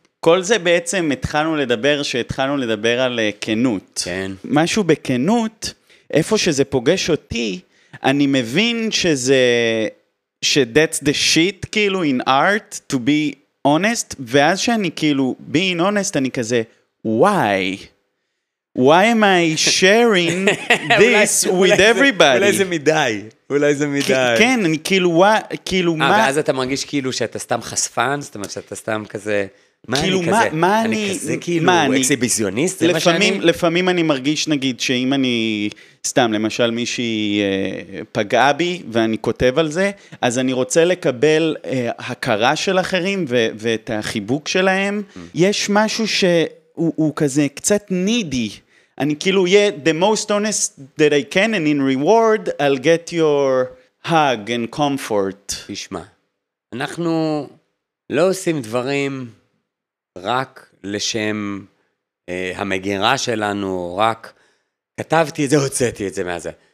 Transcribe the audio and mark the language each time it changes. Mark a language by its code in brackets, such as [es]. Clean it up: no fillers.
[he] כל זה בעצם התחלנו לדבר, שהתחלנו לדבר על כנות. כן. משהו בכנות, איפה שזה פוגש אותי, אני מבין שזה, [en] that's the shit, [he] כאילו, [en] in art, to be honest, [he] ואז שאני כאילו, [en] being honest, [he] אני כזה, [en] why? Why am I sharing this with everybody? [he] אולי זה מדי, אולי זה מדי. כן, אני כאילו מה... ואז אתה מרגיש כאילו שאתה סתם חשפן, זאת אומרת שאתה סתם כזה... כאילו מה אני... אני כזה כאילו אקסיביזיוניסט, זה מה שאני... לפעמים אני מרגיש נגיד שאם אני סתם, למשל מישהי פגעה בי ואני כותב על זה, אז אני רוצה לקבל הכרה של אחרים ואת החיבוק שלהם. יש משהו ש... הוא כזה קצת [en] needy. [he] אני כאילו, [en] yeah, the most honest that I can, and in reward, I'll get your hug and comfort. [he] תשמע, אנחנו לא עושים דברים רק לשם המגירה שלנו, רק כתבתי את זה, הוצאתי את זה מהזה.